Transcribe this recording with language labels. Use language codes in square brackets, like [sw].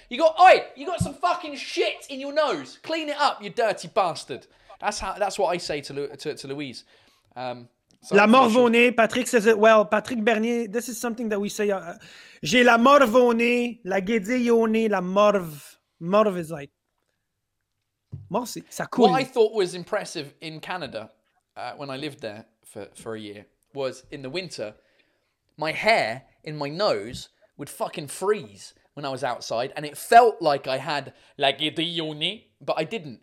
[en] You got some fucking shit in your nose. Clean it up, you dirty bastard. That's what I say to Louise. So [fr] la morve au nez, [en] Patrick says it well. Patrick Bernier, this is something that we say. [fr] J'ai la morve au nez, la guédille au nez, la morve. Morve [en] is like... [fr] Morve, c'est, ça coule. [en] What I thought was impressive in Canada, when I lived there for a year, was in the winter, my hair in my nose would fucking freeze when I was outside, and it felt like I had [fr] la guédille au nez, [en] but I didn't.